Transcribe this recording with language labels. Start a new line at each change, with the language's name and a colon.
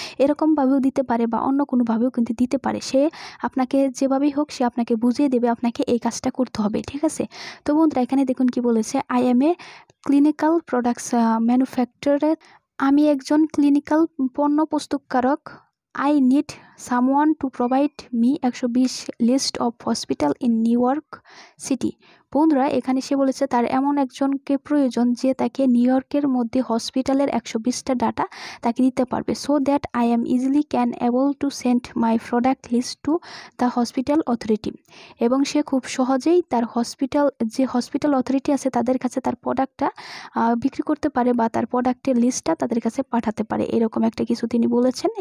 Bangla: এরকমভাবেও দিতে পারে বা অন্য কোনোভাবেও কিন্তু দিতে পারে। সে আপনাকে যেভাবেই হোক সে আপনাকে বুঝিয়ে দেবে আপনাকে এই কাজটা করতে হবে, ঠিক আছে? তো বন্ধুরা, এখানে দেখুন কি বলেছে, I M a clinical products manufacturer, আমি একজন ক্লিনিক্যাল পণ্য প্রস্তুতকারক।
English: I need someone to provide me 120 list of hospital in New York City.
Bangla: বন্ধুরা, এখানে সে বলেছে তার এমন একজনকে প্রয়োজন যে তাকে নিউ ইয়র্কের মধ্যে হসপিটালের 120টা ডাটা তাকে দিতে পারবে। So that I am easily can able to send my product list to the hospital authority, এবং সে খুব সহজেই তার হসপিটাল, যে হসপিটাল অথরিটি আছে তাদের কাছে তার প্রোডাক্টটা বিক্রি করতে পারে বা তার প্রোডাক্টের লিস্টটা তাদের কাছে পাঠাতে পারে, এরকম একটা কিছু তিনি বলেছেন।